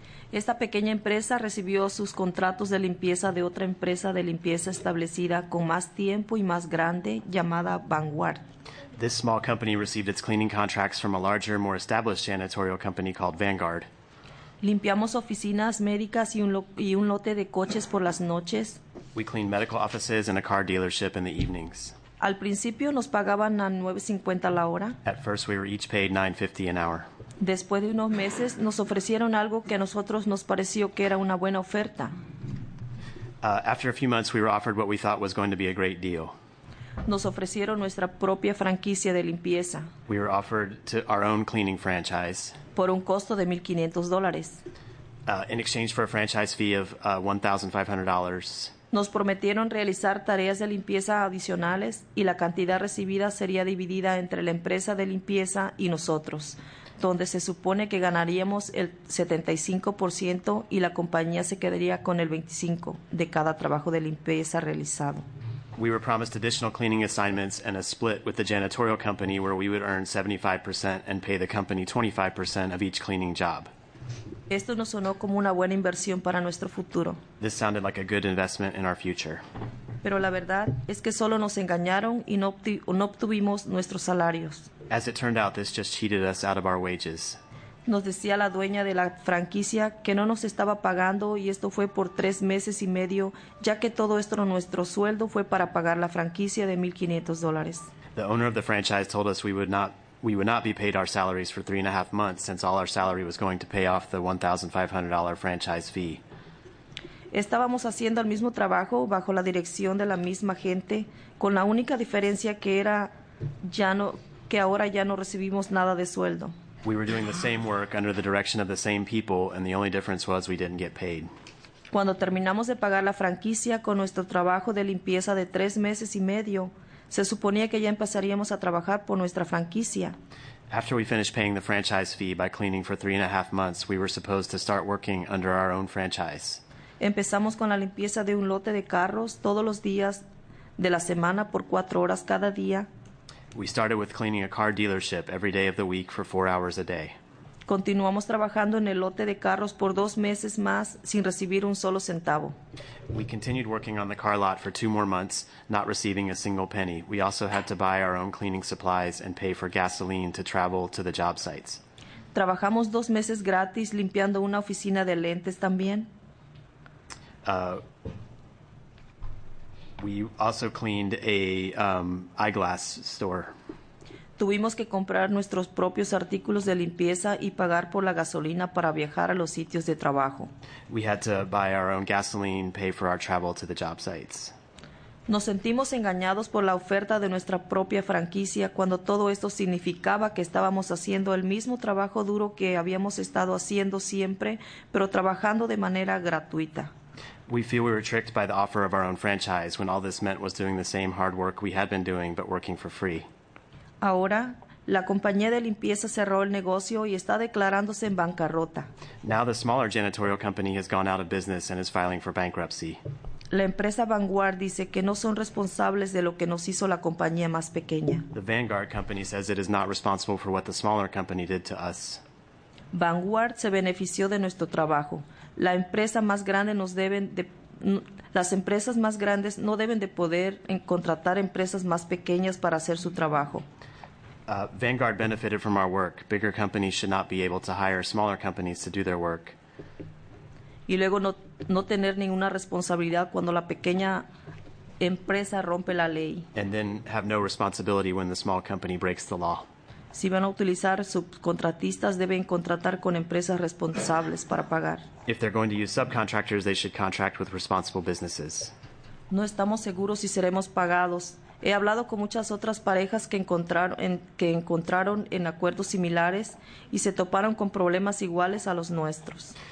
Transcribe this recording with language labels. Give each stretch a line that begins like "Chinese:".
Spanish: Esta pequeña empresa recibió sus contratos de limpieza de otra empresa de limpieza establecida con más tiempo y más grande llamada Vanguard.
English: This small company received its cleaning contracts from a larger, more established janitorial company called Vanguard.
Spanish: Limpiamos oficinas médicas y un lote de coches por las noches.
English: We cleaned medical offices and a car dealership in the evenings.
Spanish: Al principio nos pagaban a $9.50 la hora.
English: At first we were each paid $9.50 an hour.
Spanish: Después de unos meses nos ofrecieron algo que a nosotros nos pareció que era una buena oferta.
English: After a few months we were offered what we thought was going to be a great deal.
Spanish: Nos ofrecieron nuestra propia franquicia de limpieza.
English: We were offered to our own cleaning franchise.
Spanish: Por un costo de $1,500.
English: In exchange for a franchise fee of $1,500.
Spanish: Nos prometieron realizar tareas de limpieza adicionales y la cantidad recibida sería dividida entre la empresa de limpieza y nosotros, donde se supone que ganaríamos el 75% y la compañía se quedaría con el 25% de cada trabajo de limpieza realizado.
English: We were promised additional cleaning assignments and a split with the janitorial company where we would earn 75% and pay the company 25% of each cleaning job.
Spanish: Esto nos sonó como una buena inversión para nuestro futuro.
English: This sounded like a good investment in our future.
Spanish: Pero la verdad es que solo nos engañaron y no obtuvimos nuestros salarios.
English: As it turned out, this just cheated us out of our wages.
Spanish: Nos decía la dueña de la franquicia que no nos estaba pagando y esto fue por 3 meses y medio, ya que todo esto nuestro sueldo fue para pagar la franquicia de $1,500.
English: The owner of the franchise told us we would not we would not be paid our salaries for 3.5 months since all our salary was going to pay off the $1,500 franchise fee.
Spanish: Estábamos haciendo el mismo trabajo bajo la dirección de la misma gente, con la única diferencia que era ya no, que ahora ya no recibimos nada de sueldo.
English: We were doing the same work under the direction of the same people, and the only difference was we didn't get paid.
Spanish: Cuando terminamos de pagar la franquicia con nuestro trabajo de limpieza de 3 meses y medio, se suponía que ya empezaríamos a trabajar por nuestra franquicia.
English: After we finished paying the franchise fee by cleaning for 3.5 months, we were supposed to start working under our own franchise.
Spanish: Empezamos con la limpieza de un lote de carros todos los días de la semana por 4 horas cada día.
English: We started with cleaning a car dealership every day of the week for 4 hours a day.
Spanish: Continuamos trabajando en el lote de carros por 2 meses más sin recibir un solo centavo.
English: We continued working on the car lot for 2 more months, not receiving a single penny. We also had to buy our own cleaning supplies and pay for gasoline to travel to the job sites.
Spanish: Trabajamos 2 meses gratis limpiando una oficina de lentes también.
English: We also cleaned a eyeglass store.
Spanish: Tuvimos que comprar nuestros propios artículos de limpieza y pagar por la gasolina para viajar a los sitios de trabajo.
English: We had to buy our own gasoline, pay for our travel to the job sites.
Spanish: Nos sentimos engañados por la oferta de nuestra propia franquicia cuando todo esto significaba que estábamos haciendo el mismo trabajo duro que habíamos estado haciendo siempre, pero trabajando de manera gratuita.
English: We feel we were tricked by the offer of our own franchise when all this meant was doing the same hard work we had been doing, but working for free.
Spanish: Ahora, la compañía de limpieza cerró el negocio y está declarándose en bancarrota.
English: Now the smaller janitorial company has gone out of business and is filing for bankruptcy.
Spanish: La empresa Vanguard dice que no son responsables de lo que nos hizo la compañía más pequeña.
English: The Vanguard company says it is not responsible for what the smaller company did to us.
Spanish: Vanguard se benefició de nuestro trabajo. La empresa más grande nos deben de las empresas más grandes no deben de poder contratar empresas más pequeñas para hacer su trabajo.
English: Vanguard benefited from our work. Bigger companies should not be able to hire smaller companies to do their work.
Spanish: Y luego no tener ninguna responsabilidad cuando la pequeña empresa rompe la ley.
English: And then have no responsibility when the small company breaks the law.
Spanish: Si van a utilizar subcontratistas, deben contratar con empresas responsables para pagar.
English: If they're going to use subcontractors, they should contract with responsible businesses.
Spanish: No estamos seguros si seremos pagados. He hablado con muchas otras parejas que encontraron en acuerdos similares y se toparon con problemas iguales a los nuestros.